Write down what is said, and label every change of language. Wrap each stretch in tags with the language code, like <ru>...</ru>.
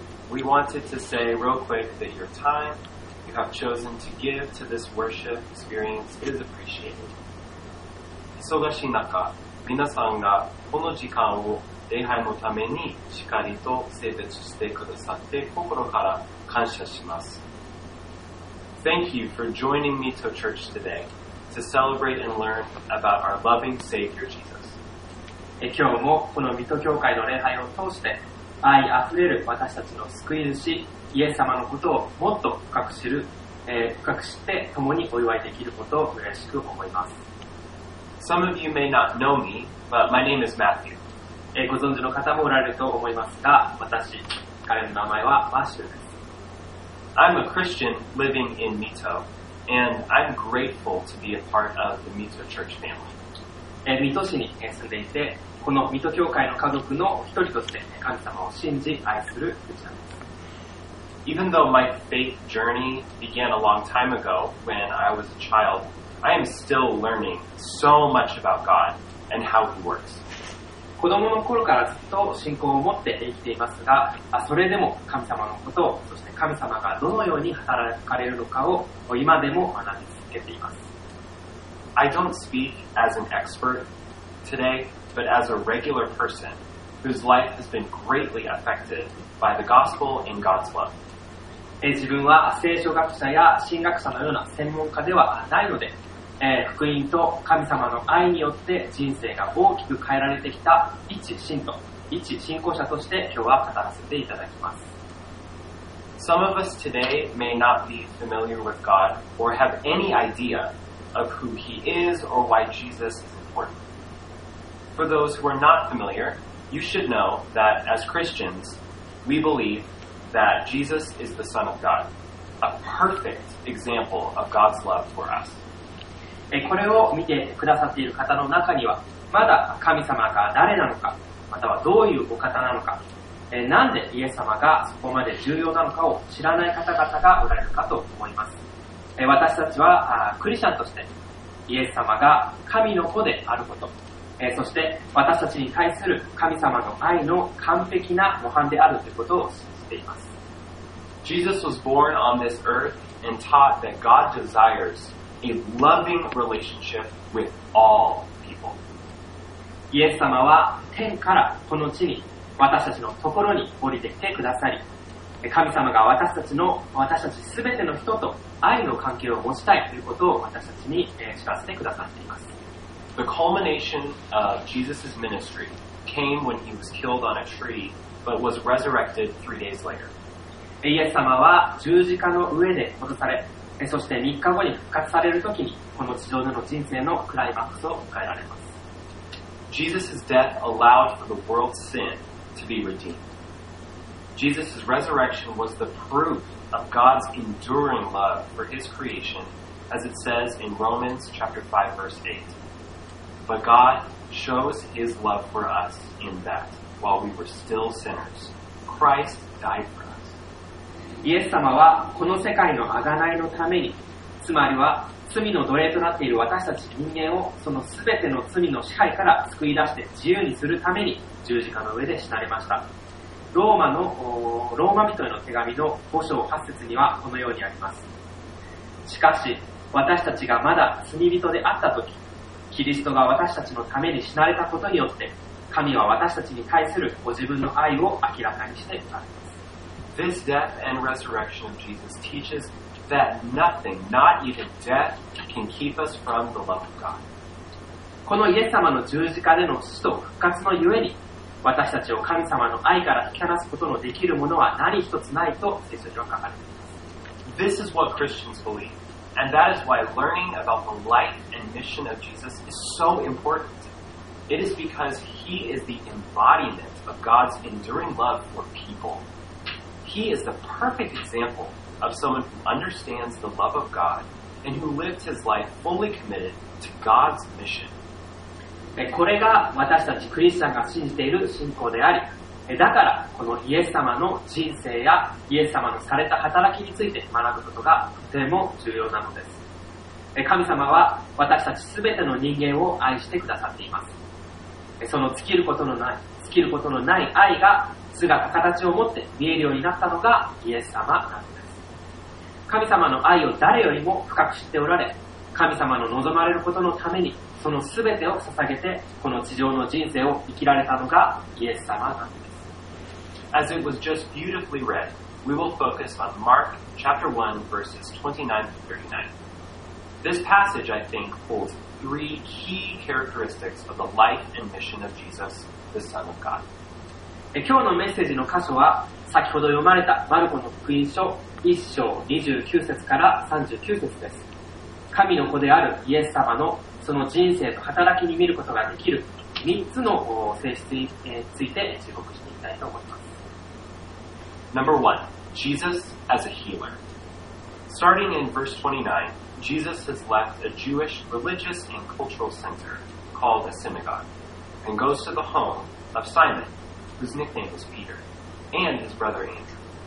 <en>We wanted to say real quick that your time you have chosen to give to this worship experience is appreciated.</en> <ja>忙しい中、皆さんがこの時間を礼拝のためにしっかりと整列してくださって心から感謝します。</ja> <en>Thank you for joining me to church today to celebrate and learn about our loving Savior Jesus.</en> <ja>今日もこの水戸教会の礼拝を通して愛あふれる私たちの救い主イエス様のことをもっと深く知る、深く知って共にお祝いできることを嬉しく思います。</ja> <en>Some of you may not know me, but my name is Matthew.</en> <ja>ご存知の方もおられると思いますが、私、彼の名前はマッシュです。</ja> <en>I'm a Christian living in Mito, and I'm grateful to be a part of the Mito Church family.</en> <ja>水戸市に住んでいて、この水戸教会の家族の一人として神様を信じ愛するクリスチャンです。</ja> <en>Even though my faith journey began a long time ago when I was a child, I am still learning so much about God and how He works.</en> <ja>子供の頃からずっと信仰を持って生きていますが、それでも神様のこと、そして神様がどのように働かれるのかを今でも学び続けています。</ja> <en>I don't speak as an expert today. But as a regular person whose life has been greatly affected by the gospel and God's love.</en> <ja>自分は聖書学者や神学者のような専門家ではないので、福音と神様の愛によって人生が大きく変えられてきた一信徒、一信仰者として今日は語らせていただきます。</ja> <en>Some of us today may not be familiar with God or have any idea of who He is or why Jesus is important. For those who are not familiar, you should know that as Christians, we believe that Jesus is the Son of God, a perfect example of God's love for us.</en> <ja>これを見てくださっている方の中には、まだ神様が誰なのか、またはどういうお方なのか、なんでイエス様がそこまで重要なのかを知らない方々がおられるかと思います。私たちはクリスチャンとして、イエス様が神の子であること、そして私たちに対する神様の愛の完璧な模範であるということを信じています。</ja> <en>Jesus was born on this earth and taught that God desires a loving relationship with all people.</en> <ja>イエス様は天からこの地に私たちのところに降りてきてくださり、神様が私たちすべての人と愛の関係を持ちたいということを私たちに知らせてくださっています。</ja> <en>The culmination of Jesus' ministry came when he was killed on a tree, but was resurrected 3 days later.</en> <ja>イエス様は十字架の上で殺され、そして3日後に復活されるときに、この地上での人生のクライマックスを迎えられます。</ja> <en>Jesus' death allowed for the world's sin to be redeemed. Jesus' resurrection was the proof of God's enduring love for his creation, as it says in Romans chapter 5, verse 8. But God shows His love for us in that, while we were still sinners, Christ died for us.</en> <ja>イエス様はこの世界の贖いのために、つまりは罪の奴隷となっている私たち人間をそのすべての罪の支配から救い出して自由にするために十字架の上で死なれました。ローマ人への手紙の5章8節にはこのようにあります。しかし、私たちがまだ罪人であったとき、キリストが私たちのために死なれたことによって、神は私たちに対するご自分の愛を明らかにしていただきます。</ja> <en>This death and resurrection of Jesus teaches that nothing, not even death, can keep us from the love of God.</en> <ja>このイエス様の十字架での死と復活のゆえに、私たちを神様の愛から引き離すことのできるものは何一つないと聖書は書かれています。</ja> <en>This is what Christians believe. And that is why learning about the life and mission of Jesus is so important. It is because He is the embodiment of God's enduring love for people. He is the perfect example of someone who understands the love of God and who lived his life fully committed to God's mission.</en> <ja>これが私たちクリスチャンが信じている信仰であり、だからこのイエス様の人生やイエス様のされた働きについて学ぶことがとても重要なのです。神様は私たちすべての人間を愛してくださっています。その尽きることのない尽きることのない愛が姿形を持って見えるようになったのがイエス様なのです。神様の愛を誰よりも深く知っておられ、神様の望まれることのためにその全てを捧げてこの地上の人生を生きられたのがイエス様なのです。</ja> <en>As it was just beautifully read, we will focus on Mark chapter 1, verses 29 to 39. This passage, I think, holds three key characteristics of the life and mission of Jesus, the Son of God.</en> <ja>今日のメッセージの箇所は、先ほど読まれたマルコの福音書1章29節から39節です。神の子であるイエス様のその人生と働きに見ることができる3つの性質について注目していきたいと思います。</ja> <en>Number one, Jesus as a healer. Starting in verse 29, Jesus has left a Jewish religious and cultural center called a synagogue and goes to the home of Simon, whose nickname was Peter, and his brother Andrew.</en>